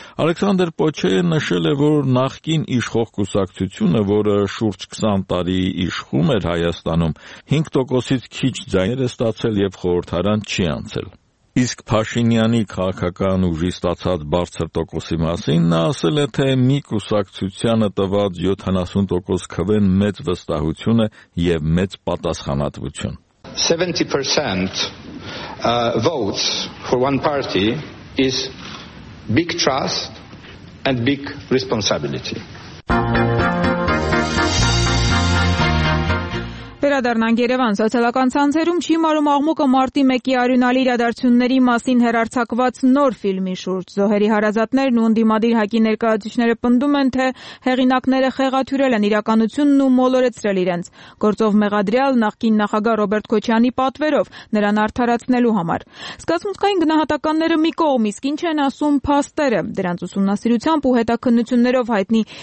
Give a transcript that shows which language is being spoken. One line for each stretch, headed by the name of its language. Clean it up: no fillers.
Armenian: Ալեքսանդր Պոչեյը նշել է, որ նախկին իշխող կուսակցությունը, որը շուրջ 20 տարի իշխում էր Հայաստանում, 5%-ից քիչ ձայներ է ստացել եւ խորհրդարան չի անցել։ Իսկ Փաշինյանի քաղաքական ուժի ստացած բարձր տոկոսի մասին նա ասել է, թե մի կուսակցությանը տված 70% քվեն մեծ վստահություն է եւ մեծ պատասխանատվություն։
English: 70% votes for one party is big trust and big responsibility.
Armenian: Վերադառնանք Երևան, սոցիալական ցանցերում Չիմարում աղմուկը մարտի 1-ի արյունալի իրադարձությունների մասին հերարցակված նոր ֆիլմի շուրջ զոհերի հարազատներն ու ընդդիմադիր հայկի ներկայացուցիչները պնդում են, թե հեղինակները խեղաթյուրել են իրականությունն ու մոլորեցրել իրենց, գործով մեղադրյալ նախկին նախագահ Ռոբերտ Քոչյանի պատվերով նրան արդարացնելու համար։ Սկզբունքային գնահատականները մի կողմ, իսկ ինչ են ասում փաստերը, դրանց ուսումնասիրությամբ ու հետաքննություններով հայտնի